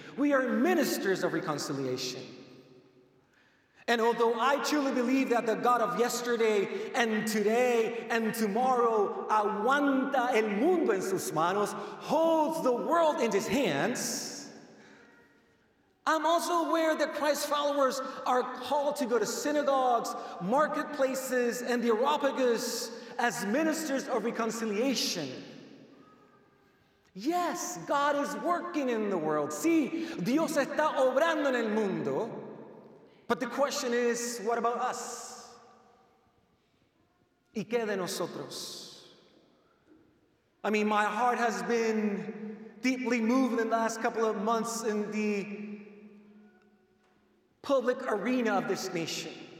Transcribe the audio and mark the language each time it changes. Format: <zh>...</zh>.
<en>We are ministers of reconciliation. And although I truly believe that the God of yesterday and today and tomorrow</en> <es>aguanta el mundo en sus manos,</es> <en>holds the world in his hands, I'm also aware that Christ's followers are called to go to synagogues, marketplaces, and the Areopagus as ministers of reconciliation. Yes, God is working in the world.</en> <es>Sí, Dios está obrando en el mundo.</es> <en>But the question is, what about us?</en> <es>¿Y qué de nosotros?</es> <en>I mean, my heart has been deeply moved in the last couple of months in the public arena of this nation.</en>